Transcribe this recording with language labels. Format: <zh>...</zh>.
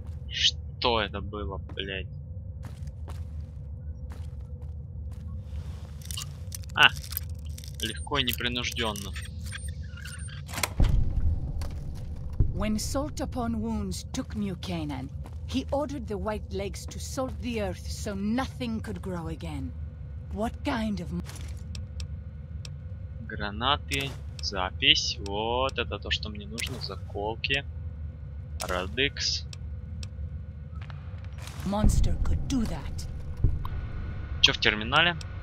<ru>Что это было, блядь? А, легко и непринужденно.</ru> <en>When salt upon wounds took New Canaan, he ordered the white legs to salt the earth so nothing could grow again. What kind of...</en> <ru>Гранаты, запись, вот это то, что мне нужно, заколки, радикс.</ru> <en>Monster could do that.</en> <ru>Чё в терминале?</ru>